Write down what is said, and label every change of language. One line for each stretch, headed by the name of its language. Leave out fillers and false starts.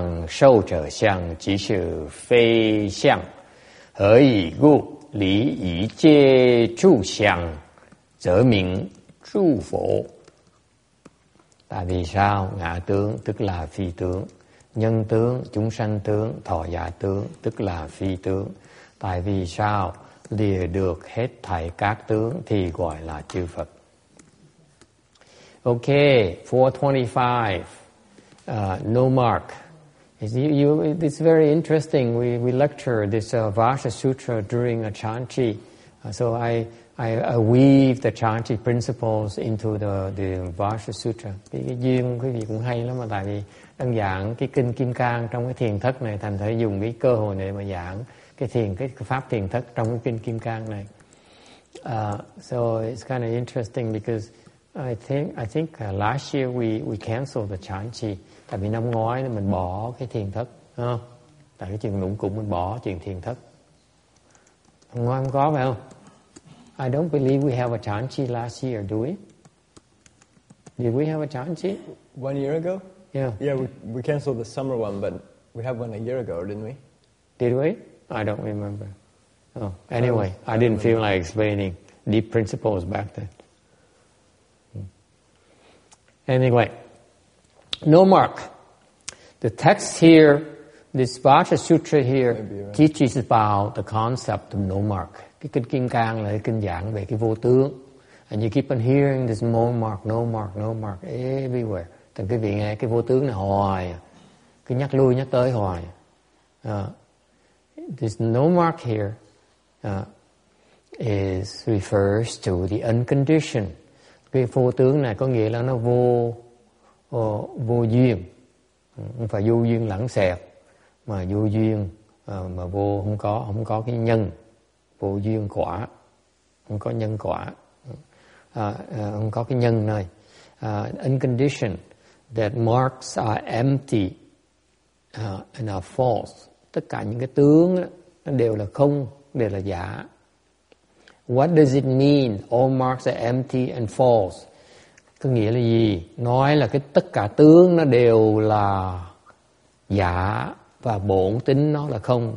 Chinese: 所以者何我相即是非相人相众生相寿者相即是非相 何以故离一切住相则名住佛?
Vietnamese: Tại vì sao ngã tướng tức là phi tướng, nhân tướng, chúng sanh tướng, thọ giả tướng tức là phi tướng? Tại vì sao lìa được hết thảy các tướng thì gọi là chư Phật?
English: Okay, 425, no mark. It's very interesting. We lecture this Vajra Sutra during a Chan Chi. So I weave the Chan Chi principles into the Vajra Sutra.
Vietnamese: Cái duyên quý vị cũng hay lắm mà tại vì đang giảng cái kinh Kim Cang trong cái thiền thất này, thành thử dùng cái cơ hội này mà giảng cái pháp thiền thất trong cái kinh Kim Cang này.
English: So it's kind of interesting because I think last year we canceled the Chan Chi.
Vietnamese: Tại vì năm ngoái mình bỏ cái thiền thất. Tại cái chuyện lũng cũng mình bỏ chuyện thiền thất. Năm ngoái không có phải không?
English: I don't believe we have a chan chi last year, do we? Did we have a chan chi? 1 year ago? Yeah. Yeah, we canceled the summer one, but we have one a year ago, didn't we? Did we? I don't remember. Anyway, I didn't feel like explaining deep principles back then. Anyway. No mark. The text here, this Vajra Sutra here, teaches about the concept of no mark.
Vietnamese: Cái kinh Kim Cang là cái kinh giảng về cái vô tướng.
English: And you keep on hearing this no mark, no mark, no mark, everywhere.
Vietnamese: thì quý vị nghe cái vô tướng này hoài, cứ nhắc lui nhắc tới hoài.
English: This no mark here refers to the unconditioned.
Vietnamese: Cái vô tướng này có nghĩa là nó vô vô duyên, không phải vô duyên lãng xẹt, mà vô duyên mà vô không có cái nhân, vô duyên quả, không có nhân quả, không có cái nhân này.
English: Unconditioned, that marks are empty and are false.
Vietnamese: Tất cả những cái tướng đó, nó đều là không, đều là giả.
English: What does it mean? All marks are empty and false.
Vietnamese: Có nghĩa là gì? Nói là cái tất cả tướng nó đều là giả và bổn tính nó là không.